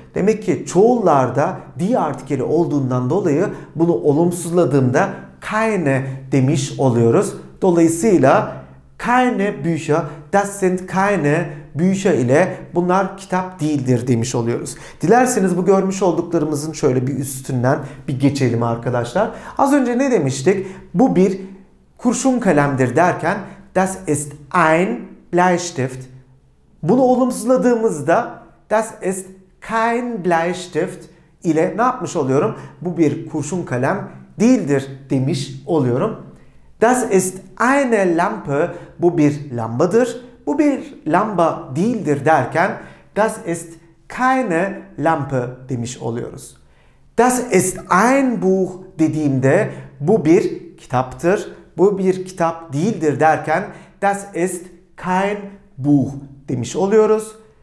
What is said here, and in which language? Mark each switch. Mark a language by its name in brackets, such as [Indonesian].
[Turkish] Demek ki çoğullarda die artikeli olduğundan dolayı bunu olumsuzladığımda keine demiş oluyoruz. Dolayısıyla [German] keine Bücher, das sind keine Bücher [Turkish] ile bunlar kitap değildir demiş oluyoruz. Dilerseniz bu görmüş olduklarımızın şöyle bir üstünden bir geçelim arkadaşlar. Az önce ne demiştik? Bu bir kurşun kalemdir derken [German] das ist ein Bleistift. [Turkish] Bunu olumsuzladığımızda [German] das ist kein Bleistift [Turkish] ile ne yapmış oluyorum? Bu bir kurşun kalem değildir demiş oluyorum. [German] Das ist eine Lampe, [Turkish] bu bir lambadır. Bu bir lamba değildir derken [German] das ist keine Lampe [Turkish] demiş oluyoruz. [German] Das ist ein Buch [Turkish] dediğimde bu bir kitaptır. Bu bir kitap değildir derken [German] das ist kein Buch [Turkish] demiş oluyoruz.